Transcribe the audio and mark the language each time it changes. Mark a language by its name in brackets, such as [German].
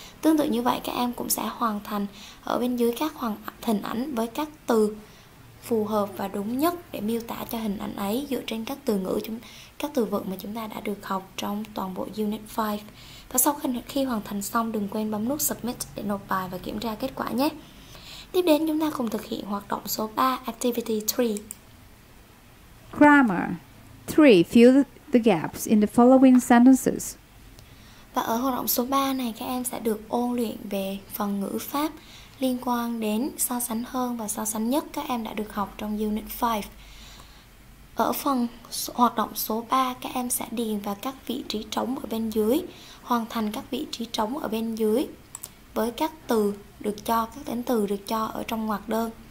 [Vietnamese] Tương tự như vậy các em cũng sẽ hoàn thành ở bên dưới các hình ảnh với các từ phù hợp và đúng nhất để miêu tả cho hình ảnh ấy dựa trên các từ ngữ, các từ vựng mà chúng ta đã được học trong toàn bộ Unit 5. Và sau khi hoàn thành xong đừng quên bấm nút submit để nộp bài và kiểm tra kết quả nhé. Tiếp đến chúng ta cùng thực hiện hoạt động số 3, Activity 3. [English] Grammar. 3. Fill the gaps in the following sentences. [Vietnamese] Và ở hoạt động số 3 này các em sẽ được ôn luyện về phần ngữ pháp liên quan đến so sánh hơn và so sánh nhất các em đã được học trong Unit 5. Ở phần hoạt động số 3 các em sẽ điền vào các vị trí trống ở bên dưới, hoàn thành các vị trí trống ở bên dưới với các từ được cho, các tính từ được cho ở trong ngoặc đơn.